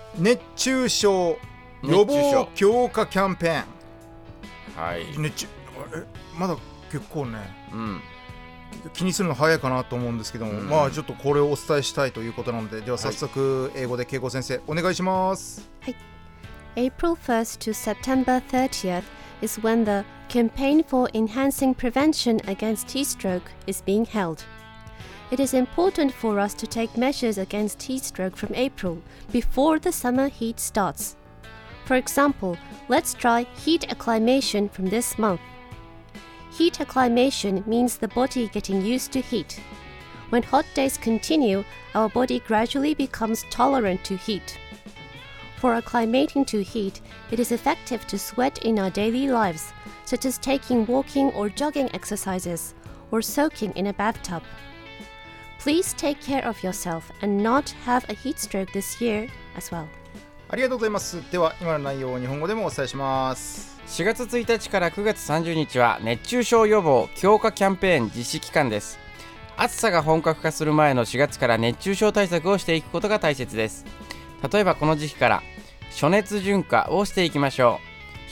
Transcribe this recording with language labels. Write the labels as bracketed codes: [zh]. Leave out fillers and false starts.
[ja] 熱中症予防強化キャンペーン、はい、熱中あれまだ結構ね、うん、気にするの早いかなと思うんですけども、うん、まあちょっとこれをお伝えしたいということなので、では早速英語で恵子先生お願いします。はい。 [en] April 1st to September 30th is when the campaign for enhancing prevention against heat stroke is being held. It is important for us to take measures against heat stroke from April before the summer heat starts. For example, let's try heat acclimation from this monthHeat acclimation means the body getting used to heat. When hot days continue, our body gradually becomes tolerant to heat. For acclimating to heat, it is effective to sweat in our daily lives, such as taking walking or jogging exercises, or soaking in a bathtub. Please take care of yourself and not have a heat stroke this year as well. [ja] ありがとうございます。では今の内容を日本語でもお伝えします。 4月1日から9月30日は熱中症予防強化キャンペーン実施期間です。暑さが本格化する前の4月から熱中症対策をしていくことが大切です。例えばこの時期から暑熱順化をしていきましょう。